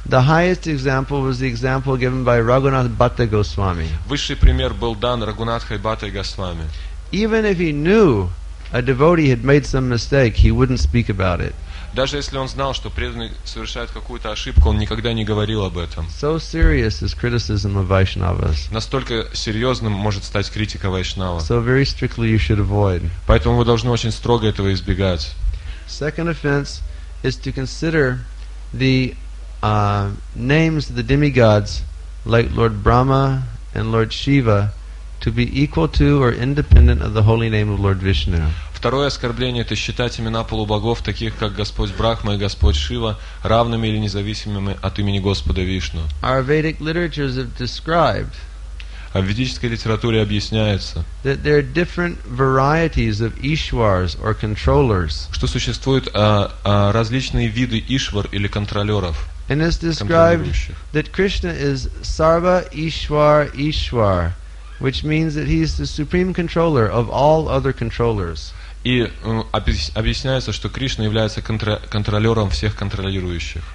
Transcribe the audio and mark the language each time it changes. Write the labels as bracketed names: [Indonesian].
[English] The highest example was the example given by Raghunath Bhatta Goswami. [Russian] Высший пример был дан Рагунатхой Бхаттой Госвами. [English] Even if he knew a devotee had made some mistake, he wouldn't speak about it. [Russian] Даже если он знал, что преданный совершает какую-то ошибку, он никогда не говорил об этом. [English] So serious is criticism of Vaishnavas. [Russian] Настолько серьезным может стать критика вайшнава. [English] So very strictly you should avoid. [Russian] Поэтому вы должны очень строго этого избегать. [English] Second offense is to consider the names of the demigods like Lord Brahma and Lord Shiva to be equal to or independent of the holy name of Lord Vishnu. [Russian] Второе оскорбление – это считать имена полубогов, таких как Господь Брахма и Господь Шива, равными или независимыми от имени Господа Вишну. [English] Our Vedic literatures have described. [Russian] А в ведической литературе объясняется, [English] that there are different varieties of Ishwars or controllers. [Russian] Что существуют различные виды Ишвар или контролеров. [English] And it's described that Krishna is Sarva Ishwar Ishwar, which means that he is the supreme controller of all other controllers. [Russian] И объясняется, что Кришна является контролером всех контролирующих.